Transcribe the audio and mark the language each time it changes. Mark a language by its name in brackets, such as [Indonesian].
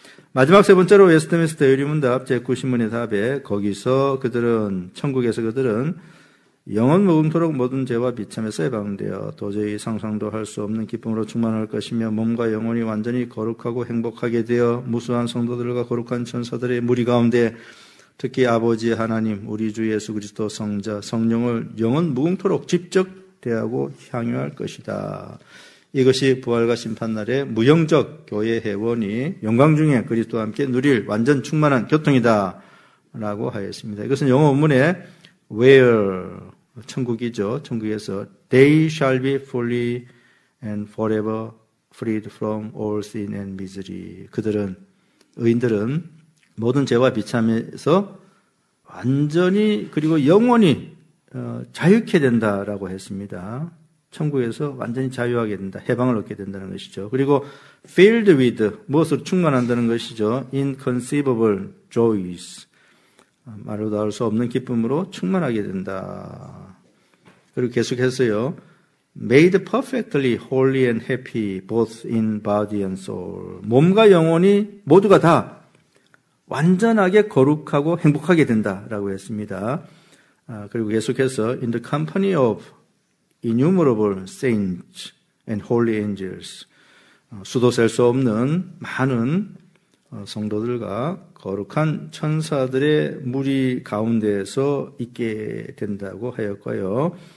[Korean] 마지막 세 번째로 웨스트민스터 의리문답 제90문의 답에 거기서 그들은 천국에서 그들은 영원 무궁토록 모든 죄와 비참에서 해방되어 도저히 상상도 할 수 없는 기쁨으로 충만할 것이며 몸과 영혼이 완전히 거룩하고 행복하게 되어 무수한 성도들과 거룩한 천사들의 무리 가운데 특히 아버지 하나님 우리 주 예수 그리스도 성자 성령을 영원 무궁토록 직접 대하고 향유할 것이다. 이것이 부활과 심판날의 무형적 교회 회원이 영광 중에 그리스도와 함께 누릴 완전 충만한 교통이다 라고 하였습니다. 이것은 영어 원문에 [English] where, [Korean] 천국이죠. 천국에서 [English] they shall be fully and forever freed from all sin and misery. [Korean] 그들은, 의인들은 모든 죄와 비참에서 완전히 그리고 영원히 자유케 된다라고 했습니다. 천국에서 완전히 자유하게 된다. 해방을 얻게 된다는 것이죠. 그리고 [English] filled with, [Korean] 무엇으로 충만한다는 것이죠. [English] inconceivable joys. [Korean] 말로 다할 수 없는 기쁨으로 충만하게 된다. 그리고 계속해서요. [English] made perfectly holy and happy both in body and soul. [Korean] 몸과 영혼이 모두가 다 완전하게 거룩하고 행복하게 된다라고 했습니다. 그리고 계속해서 [English] in the company of innumerable saints and holy angels. [Korean] 수도 셀 수 없는 많은 성도들과 거룩한 천사들의 무리 가운데에서 있게 된다고 하였고요.